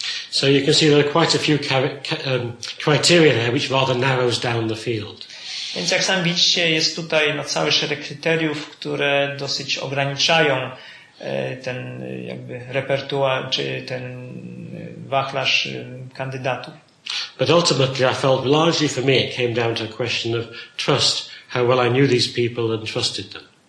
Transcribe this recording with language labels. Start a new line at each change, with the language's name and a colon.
English: So you can see there are quite a few criteria there, which rather narrows down the field.
Polish: Więc jak sami widzicie, jest tutaj no, cały szereg kryteriów, które dosyć ograniczają ten jakby repertuar, czy ten wachlarz kandydatów.
English: But ultimately I felt largely for me it came down to a question of trust, how well I knew these people and trusted them.